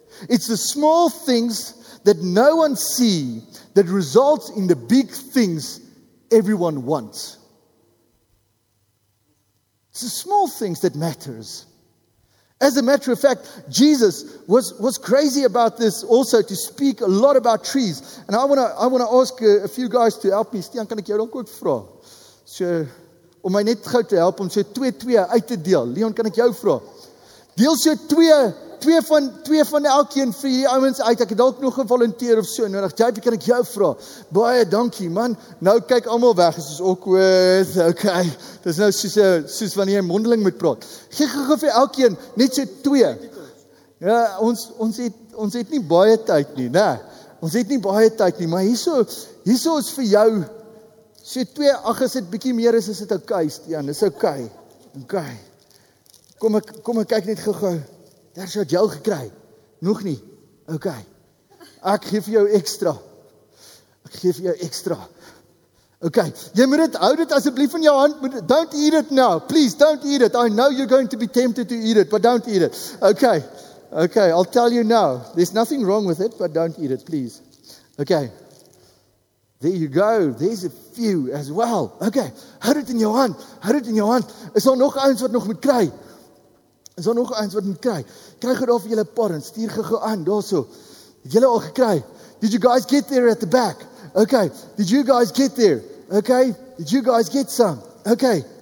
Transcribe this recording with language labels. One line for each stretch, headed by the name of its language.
English: It's the small things that no one see that results in the big things everyone wants. It's the small things that matters. As a matter of fact, Jesus was crazy about this also, to speak a lot about trees. And I wanna ask a few guys to help me.
Afrikaans: Stian, kan ek jou dalk ook vra? So, om my net gou te help om so 2-2 uit te deel. Leon, kan ek jou vra? Deel so twee van elkeen vir die ouens uit. Ek het dalk nog 'n volunteer of so nodig. JP, kan ek jou vra? Baie dankie, man. Nou kyk almal weg. Dit is awkward. Okay. Dit is nou soos wanneer jy mondeling moet praat. Gee vir elkeen net so 2. Ja, ons het nie baie tyd nie, né? Ons het nie baie tyd nie, maar hierso is vir jou. So 2, ag, as dit bietjie meer is dit okay, Stian. Dis okay. Okay. Kom ek kyk net gou-gou. Daar sou jy al gekry. Nog nie. Okay. Ek gee vir jou ekstra. Ek gee vir jou ekstra. Okay. Jy moet dit hou dit asseblief in jou hand.
English: Don't eat it now. Please don't eat it. I know you're going to be tempted to eat it, but don't eat it. Okay. Okay, I'll tell you now. There's nothing wrong with it, but don't eat it, please.
Afrikaans: Okay. There you go. There's a few as well. Okay. Hou dit in jou hand. Hou dit in jou hand. Is daar nog ouens wat nog moet kry? Is daar nog eens wat moet kry? Kry gou daar vir julle paar en stuur gou aan, daarso. Het julle al gekry?
English: Did you guys get there at the back? Okay, did you guys get there? Okay, did you guys get some? Okay.